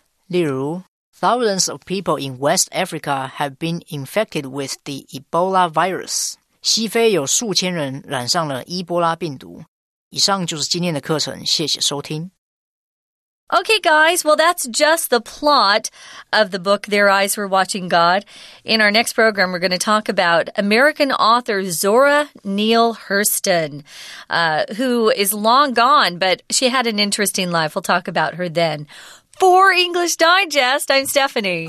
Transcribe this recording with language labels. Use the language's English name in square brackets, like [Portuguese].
[Chinese] 例如 [English] thousands of people in West Africa have been infected with the Ebola virus. [Chinese] 西非有数千人染上了伊波拉病毒。以上就是今天的课程，谢谢收听。 [English] Okay, guys, well, that's just the plot of the book, Their Eyes Were Watching God. In our next program, we're going to talk about American author Zora Neale Hurston, who is long gone, but she had an interesting life. We'll talk about her then. For English Digest, I'm Stephanie.